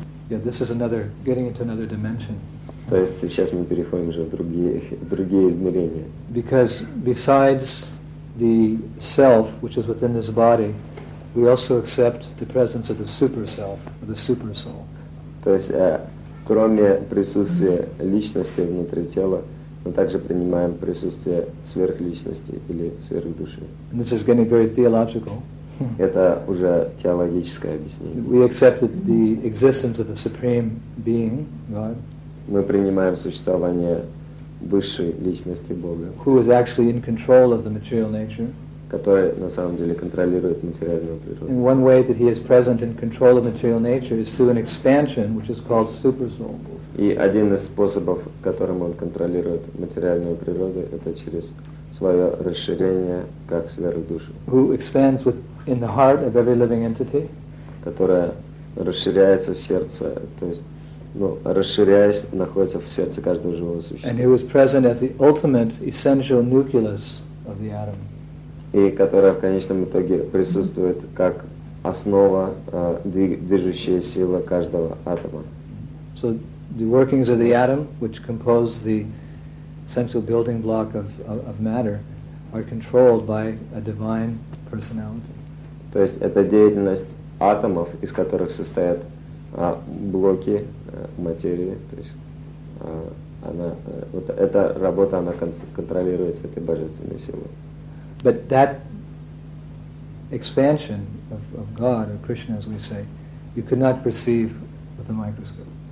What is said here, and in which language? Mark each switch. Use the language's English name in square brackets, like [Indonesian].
[English] yeah, this is another getting into another dimension. [Russian] То есть сейчас мы переходим уже в другие измерения. [English] Because besides the self, which is within this body, we also accept the presence of the super self, or the super soul. [Russian] То есть кроме присутствия личности внутри тела, мы также принимаем присутствие сверхличности или сверхдуши. [English] And this is getting very theological. [Russian] Это уже теологическое объяснение. [English] We accepted the existence of the supreme being, God. [Russian] Мы принимаем существование высшей личности Бога. [English] Who is actually in control of the material nature? [Russian] Который на самом деле контролирует материальную природу. [English] And one way that he is present in control of material nature is through an expansion, which is called super soul. [Russian] И один из способов, которым он контролирует материальную природу, это через свое расширение как сверхдушу. [English] Who expands with in the heart of every living entity, [Russian] которая расширяется в сердце, то есть, ну, расширяясь, находится в сердце каждого живого существа. [English] And who is present as the ultimate essential nucleus of the atom. [Russian] И которая в конечном итоге присутствует как основа, движущая сила каждого атома. [English] So the workings of the atom, which compose the essential building block of matter, are controlled by a divine personality. [Russian] То есть это деятельность атомов, из которых состоят блоки материи, то есть она, вот эта работа, она контролируется этой божественной силой. [English] But that expansion of God or Krishna, as we say, you could not perceive with a microscope.